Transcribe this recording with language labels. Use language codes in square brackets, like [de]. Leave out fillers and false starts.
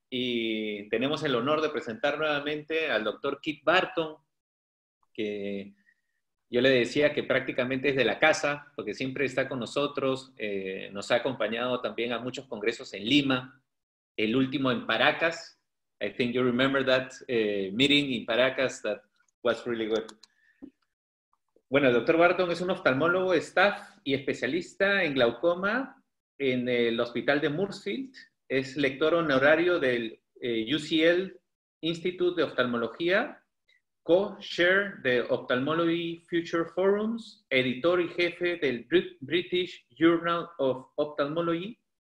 [es] Y tenemos el honor de presentar nuevamente al doctor Kit Barton, que yo le decía que prácticamente es de la casa, porque siempre está con nosotros. Nos ha acompañado también a muchos congresos en Lima, el último en Paracas. [en] I think you remember that meeting in Paracas that was really good. [es] Bueno, el Dr. Barton es un oftalmólogo, staff y especialista en glaucoma en el Hospital de Moorfield. Es lector honorario del UCL Institute de Oftalmología, co-chair de Ophthalmology Future Forums, editor y jefe del British Journal of Ophthalmology.